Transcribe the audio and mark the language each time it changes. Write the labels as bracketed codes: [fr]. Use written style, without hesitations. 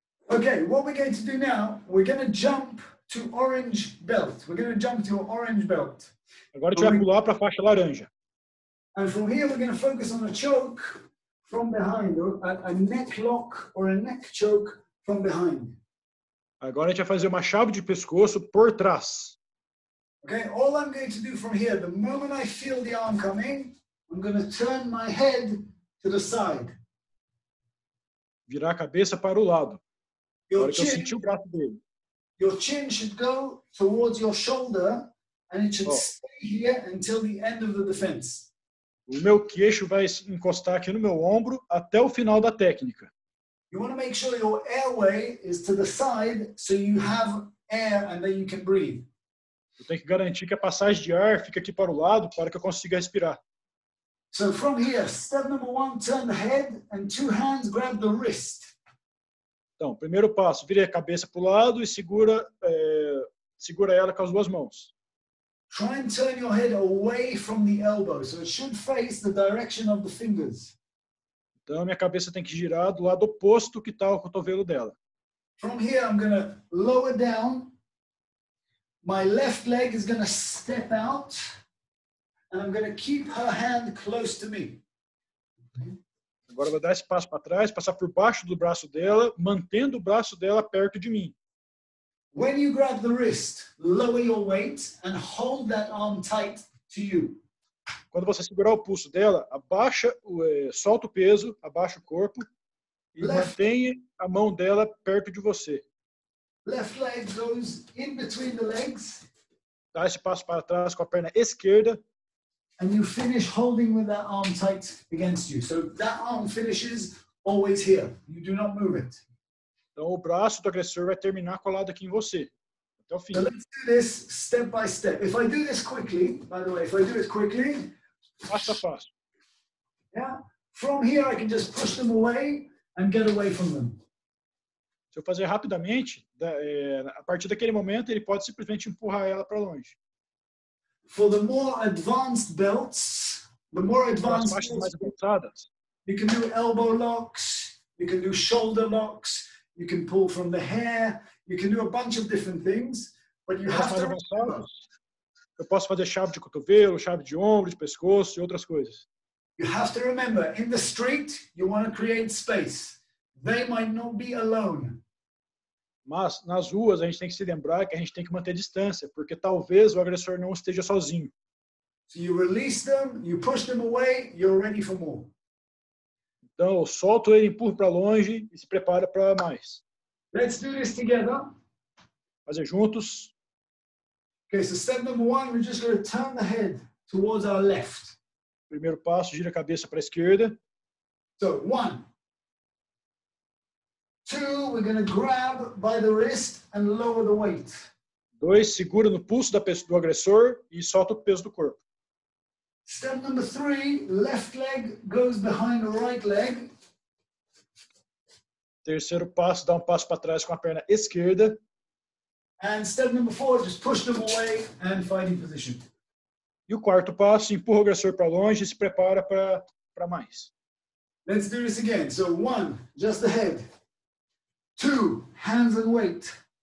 [en] Okay, what we're going to do now, we're going to jump to orange belt. We're going to jump to orange belt. [pt] Agora a gente vai pular para a faixa laranja. [en] And from here, we're going to focus on a choke from behind, a neck lock or a neck choke from behind. [pt] Agora a gente vai fazer uma chave de pescoço por trás. [en] Okay, all I'm going to do from here, the moment I feel the arm coming, I'm going to turn my head to the side. [pt] Virar a cabeça para o lado. Agora que eu senti o braço dele. [en] Your chin should go towards your shoulder And it should stay here until the end of the defense. [pt] O meu queixo vai encostar aqui no meu ombro até o final da técnica. [en] You want to make sure your airway is to the side so you have air and then you can breathe. [pt] Eu tenho que garantir que a passagem de ar fica aqui para o lado para que eu consiga respirar. [en] So from here, step number one, turn the head and two hands grab the wrist. [pt] Então, primeiro passo, vire a cabeça para o lado e segura ela com as duas mãos. [en] Try and turn your head away from the elbow, so it should face the direction of the fingers. [pt] Então, minha cabeça tem que girar do lado oposto que está o cotovelo dela. [en] From here, I'm going to lower down. My left leg is going to step out. And I'm going to keep her hand close to me. [pt] Agora, eu vou dar esse passo para trás, passar por baixo do braço dela, mantendo o braço dela perto de mim. [en] When you grab the wrist, lower your weight and hold that arm tight to you. [pt] Quando você segurar o pulso dela, abaixa, solta o peso, abaixa o corpo e mantenha a mão dela perto de você. [en] Left leg goes in between the legs. [pt] Dá esse passo para trás com a perna esquerda. [en] And you finish holding with that arm tight against you. So that arm finishes always here. You do not move it. [pt] Então, o braço do agressor vai terminar colado aqui em você. Até o fim. [en] So let's do this step by step. If I do this quickly, by the way, if I do it quickly. [pt] Passo a passo. [en] Yeah? From here, I can just push them away and get away from them. [pt] Se eu fazer rapidamente, a partir daquele momento, ele pode simplesmente empurrar ela para longe. [en] For the more advanced belts, the more advanced belts, [pt] mais avançadas. [en] You can do elbow locks, you can do shoulder locks. You can pull from the hair, you can do a bunch of different things, but you have to remember. [pt] Eu posso fazer chave de cotovelo, chave de ombro, de pescoço e outras coisas. [en] You have to remember, in the street, you want to create space. They might not be alone. [pt] Mas nas ruas a gente tem que se lembrar que a gente tem que manter a distância, porque talvez o agressor não esteja sozinho. [en] So you release them, you push them away, you're ready for more. [pt] Então, solto ele, empurro para longe e se prepara para mais. [en] Let's do this together. [pt] Fazer juntos. [en] Okay, so step number one, we're just going to turn the head towards our left. [pt] Primeiro passo, gira a cabeça para a esquerda. [en] So, one. Two, we're going to grab by the wrist and lower the weight. [pt] Dois, segura no pulso do agressor e solta o peso do corpo. [en] Step number three, left leg goes behind the right leg. [pt] Terceiro passo, dá um passo para trás com a perna esquerda. [en] And step number four, just push them away and fighting position. [pt] E o quarto passo, empurra o agressor para longe e se prepara para mais. [en] Let's do this again. So one, just the head. Two, hands and weight.